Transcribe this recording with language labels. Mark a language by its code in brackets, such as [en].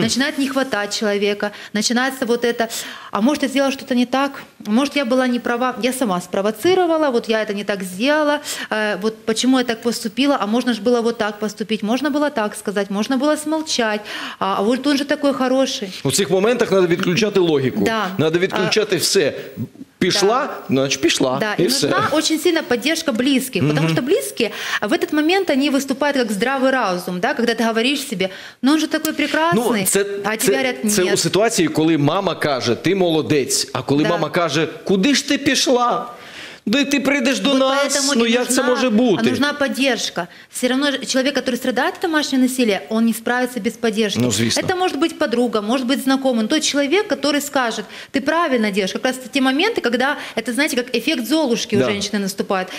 [ru] Начинает не хватать человека, начинается вот это, а может, я сделала что-то не так, может, я была не права, я сама спровоцировала, вот я это не так сделала, вот почему я так поступила, а можно же было вот так поступить, можно было так сказать, можно было смолчать, а вот он же такой хороший. В этих моментах надо отключать логику, да. Надо отключать все. [uk] Пішла, [ru] да. Значит, пішла. Да. И нужна все. Очень сильно поддержка близких, угу. Потому что близкие в этот момент они выступают как здравый разум, да, когда ты говоришь себе, ну он же такой прекрасный, ну, а тебе говорят, нет. [uk] Це у ситуації, коли мама каже, ти молодець, а коли да. Мама каже, куди ж ти пішла? [ru] Да и ты придешь до вот нас, ну как это может быть? Нужна поддержка. Все равно человек, который страдает от домашнего насилия, он не справится без поддержки. [uk] Ну, звісно. [ru] Это может быть подруга, может быть знакомый. Тот человек, который скажет, ты правильно делаешь. Как раз те моменты, когда, это знаете, как эффект Золушки да. У женщины наступает.